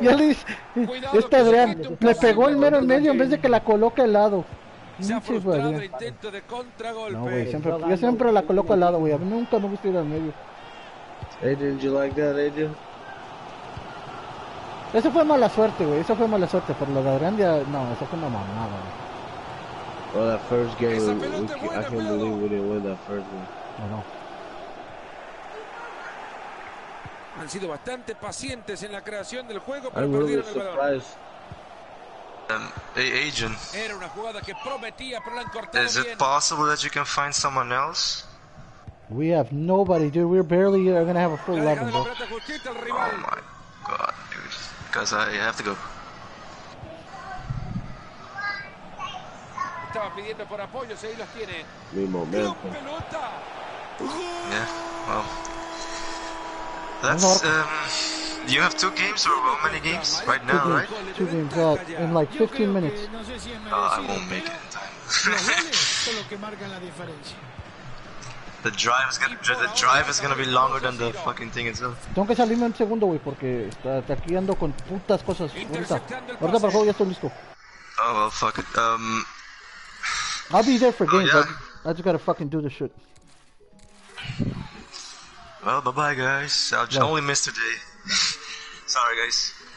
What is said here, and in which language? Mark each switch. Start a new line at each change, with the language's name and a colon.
Spanish: Ya le dije, este Adrián le pegó el mero en medio en vez de que la coloque al lado. Se ha frustrado el intento de contragolpe. No, güey, siempre, yo siempre la coloco al lado, güey. A mí nunca me gusta ir al medio.
English: Adrian, you like that, Adrian?
Spanish: Eso fue mala suerte, güey. Eso fue mala suerte. Pero lo de Adrián, no, eso fue una mamada, güey.
English: Well, that first game, I can't believe we didn't win that first game.
Spanish: No. Han sido bastante pacientes en la creación del juego, pero perdieron
English: really
Spanish: el balón.
English: Agent.
Spanish: Era una jugada que prometía, pero la han cortado bien.
English: Is it possible that you can find someone else? We have nobody, dude. We're barely gonna have a full 11, bro. Oh my god, dude. guys, I have to go.
Spanish: Estaba pidiendo por apoyo, si ahí los tiene. Mi momento.
English: Yeah, well. That's, do you have two games or how many games right now, two games, right? Two games, well, in like 15 minutes. Oh, I won't make it in time. The drive is gonna be longer than the fucking thing itself.
Spanish: Tengo que salirme un segundo, güey, porque aquí ando con putas cosas. Ahorita para el juego ya estoy listo.
English: Oh, well, fuck it. I'll be there for games, yeah. I just gotta fucking do the shit. Well, bye-bye, guys. I'll just only miss today. Sorry, guys.